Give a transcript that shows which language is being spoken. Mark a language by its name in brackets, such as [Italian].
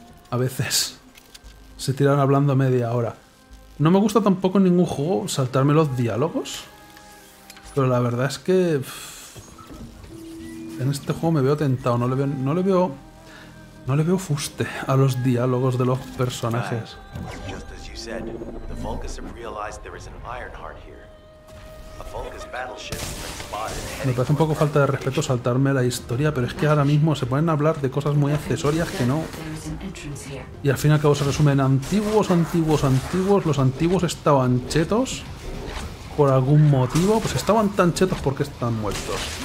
[Spanish] a veces se tiran hablando media hora. No me gusta tampoco en ningún juego saltarme los diálogos. Pero la verdad es que... en este juego me veo tentado, no le veo fuste a los diálogos de los personajes. [English] Just as you said, the Vulcans have realized there is an Ironheart here. A Vulcan's battleship has spotted. [Spanish] Me parece un poco falta de respeto saltarme la historia, pero es que ahora mismo se pueden hablar de cosas muy accesorias que no. Y al fin y al cabo se resumen antiguos. Los antiguos estaban chetos por algún motivo. Pues estaban tan chetos porque están muertos.